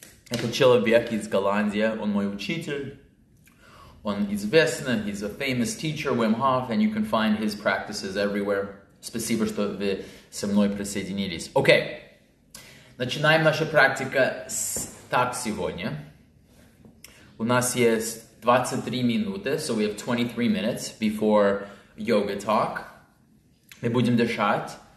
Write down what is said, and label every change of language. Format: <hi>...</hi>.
<ru>Это человек из Голландии, он мой учитель. Он известный,</ru> <en>he's a famous teacher, Wim Hof, and you can find his practices everywhere.</en> <ru>Спасибо, что вы со мной присоединились. Окей. Начинаем наша практика с так сегодня. У нас есть 23 минуты,</ru> <en>so we have 23 minutes before yoga talk.</en> <ru>Мы будем дышать.</ru>